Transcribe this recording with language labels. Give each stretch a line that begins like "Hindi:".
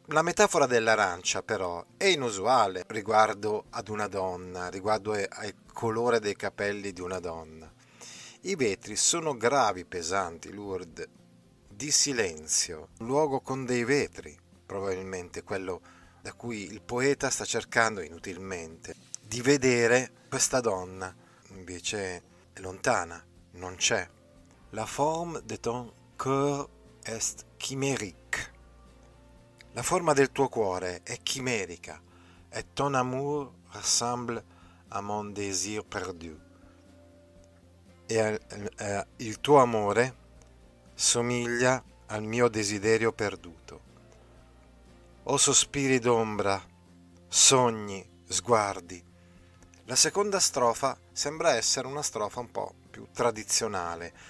Italian: La metafora dell'arancia, però, è inusuale riguardo ad una donna, riguardo al colore dei capelli di una donna. I vetri sono gravi, pesanti,
French: lourd,
Italian: di silenzio. Un luogo con dei vetri, probabilmente quello da cui il poeta sta cercando inutilmente di vedere questa donna. Invece è lontana, non c'è.
French: La forme de ton corps est chimérique.
Italian: La forma del tuo cuore è chimerica.
French: Et ton amour ressemble à mon désir perdu.
Italian: Il tuo amore somiglia al mio desiderio perduto. O sospiri d'ombra, sogni, sguardi. La seconda strofa sembra essere una strofa un po' più tradizionale.